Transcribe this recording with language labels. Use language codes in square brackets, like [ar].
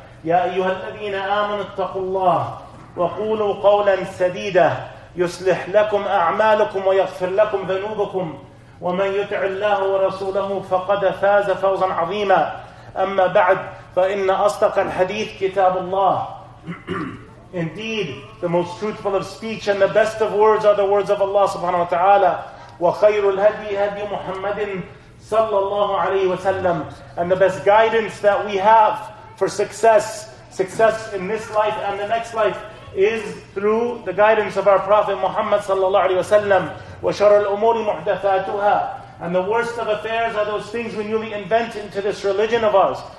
[ar] يا أيها الذين آمنوا اتقوا الله وقولوا قولا سديدا يصلح لكم أعمالكم ويغفر لكم ذنوبكم، ومن يطع الله ورسوله فقد فاز فوزا عظيما. أما بعد، فإن أصدق الحديث كتاب الله. [en] Indeed, the most truthful of speech and the best of words are the words of Allah subhanahu wa ta'ala. [ar] وخير الهدي هدي محمد صلى الله عليه وسلم. [en] And the best guidance that we have for success in this life and the next life, is through the guidance of our Prophet Muhammad sallallahu alaihi wasallam. [ar] وَشَرَّ الْأُمُورِ مُحْدَثَاتُهَا. [en] And the worst of affairs are those things we newly invent into this religion of ours.